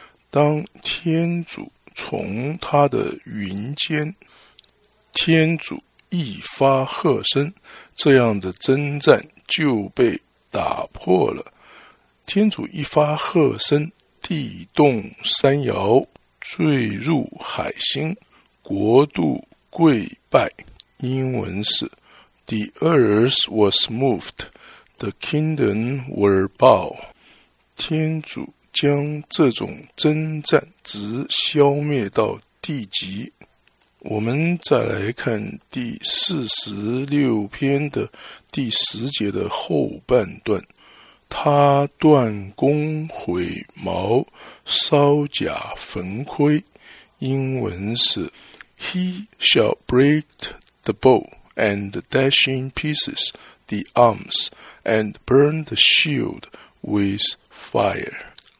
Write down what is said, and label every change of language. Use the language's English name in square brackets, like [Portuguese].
[Chinese] 当天主从他的云间，天主一发喝声，这样的征战就被打破了。天主一发喝声，地动山摇，坠入海星，国度跪拜，英文是 [English] The earth was moved, the kingdom were bowed. [Chinese] 天主将这种征战直消灭到地极。我们再来看第46篇的第10节的后半段，他断弓毁矛，烧甲焚盔，英文是 [English] He shall break the bow and dash in pieces the arms and burn the shield with fire.